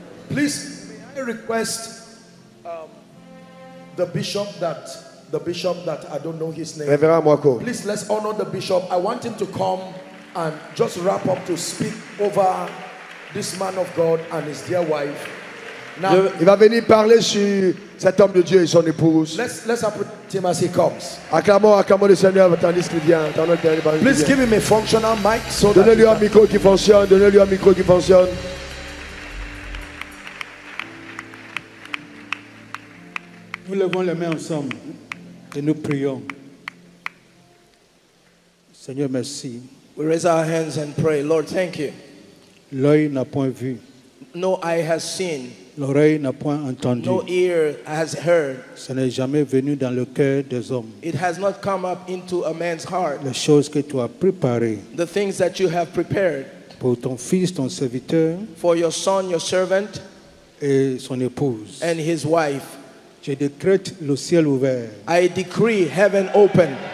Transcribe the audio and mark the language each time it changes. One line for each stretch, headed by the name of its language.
English: Please, may I request the bishop that I don't know his name. Reverend Mwako. Please, let's honor the bishop. I want him to come and just wrap up to speak over this man of God and his dear wife.
French: Now, il va venir parler sur cet homme de Dieu et son épouse.
English: Let's appreciate him as he comes.
French: Acclamons le Seigneur tandis qu'il vient.
English: Please give him a functional mic. So
French: donnez-lui un micro qui fonctionne. Donnez-lui un micro qui fonctionne. Nous levons les mains ensemble et nous prions. Seigneur, merci.
English: We raise our hands and pray. Lord, thank you.
French: L'œil n'a point vu.
English: No eye has seen.
French: L'oreille n'a point entendu.
English: No ear has heard.
French: Ce n'est jamais venu dans le cœur des hommes.
English: It has not come up into a man's heart.
French: Les choses que tu as préparées.
English: The things that you have prepared.
French: Pour ton fils, ton serviteur.
English: For your son, your servant.
French: Et son épouse.
English: And his wife.
French: Je décrète le ciel ouvert.
English: I decree heaven open.